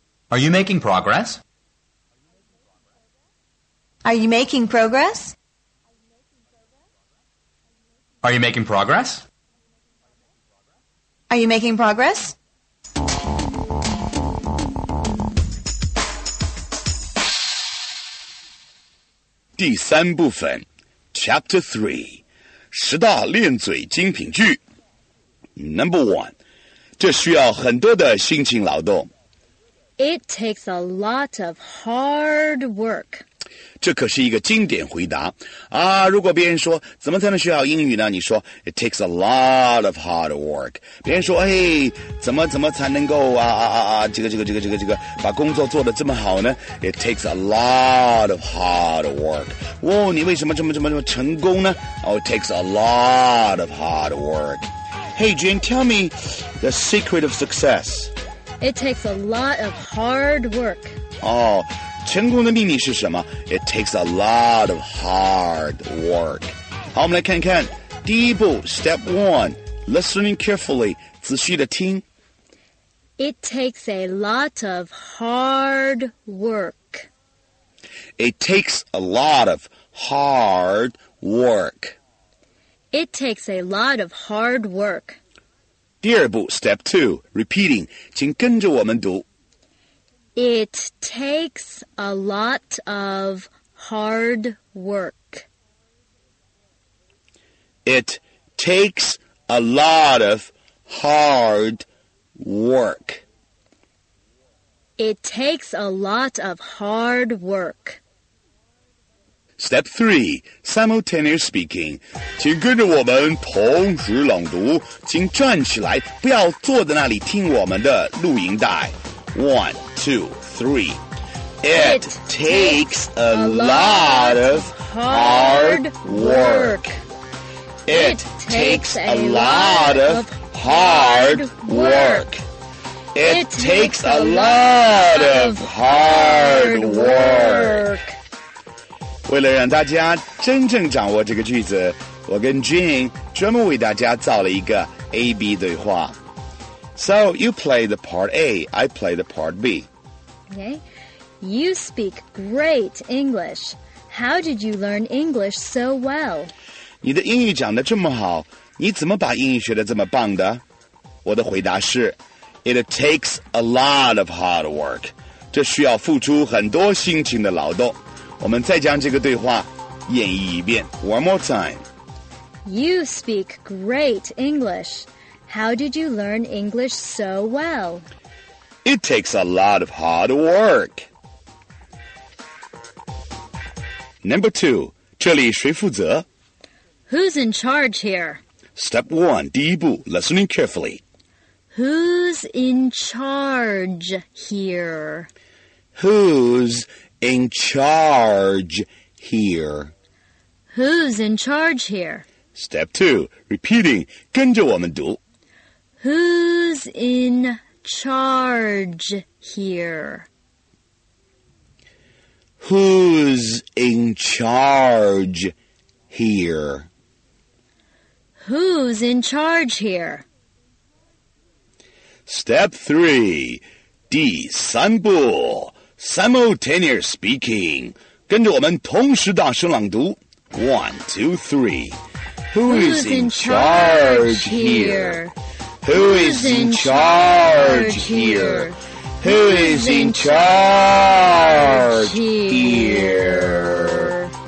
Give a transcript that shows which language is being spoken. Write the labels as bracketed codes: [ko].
[en] Are you making progress? Are you making progress? Are you making progress? Are you making progress? Are you making progress? [zh] 第三部分 Chapter 3 十大练嘴精品句 Number 1 这需要很多的辛勤劳动 [en] It takes a lot of hard work. [zh] 这可是一个经典回答啊！如果别人说怎么才能学好英语呢？你说 [en] It takes a lot of hard work. [zh] 别人说哎，怎么才能够这个把工作做得这么好呢 ？ [en] It takes a lot of hard work. [zh] 哦，你为什么这么成功呢 ？ [en] Oh, it takes a lot of hard work. Hey, Jane, tell me the secret of success. It takes a lot of hard work. [zh] 哦，成功的秘密是什么 ？ [en] It takes a lot of hard work. [zh] 好，我们来看看第一步 ， [en] Step One, listening carefully, [zh] 仔细的听。 [en] It takes a lot of hard work. It takes a lot of hard work. It takes a lot of hard work. [zh] 第二步 , [en] step two, repeating, [zh] 请跟着我们读。 [en] It takes a lot of hard work. It takes a lot of hard work. It takes a lot of hard work. Step 3, Simultaneous Speaking. [zh] 请跟着我们同时朗读，请站起来，不要坐在那里听我们的录音带。 [en] One, two, three. It takes a lot of hard work. It takes a lot of hard work. It takes a lot of hard work. [zh] 为了让大家真正掌握这个句子，我跟 Jean 专门为大家造了一个 A-B 对话。 [en] So, you play the part A, I play the part B. Okay. You speak great English. How did you learn English so well? [zh] 你的英语讲得这么好，你怎么把英语学得这么棒的？我的回答是 [en] It takes a lot of hard work. [zh] 这需要付出很多辛勤的劳动。我们再将这个对话演绎一遍 [en] One more time. You speak great English. How did you learn English so well? It takes a lot of hard work. Number 2. [zh] 这里谁负责? [en] Who's in charge here? Step 1. [zh] 第一步, [en] listening carefully. Who's in charge here? Who's in charge here? Who's in charge here? Step 2. Repeating. [zh] 跟着我们读。 [en] Who's in charge here? Who's in charge here? Who's in charge here? Step 3. [zh] 第三步 [en] Simultaneous speaking. [zh] 跟着我们同时大声朗读。 [en] One, two, three. Who's in charge here? Who is in charge here? Who is in charge here?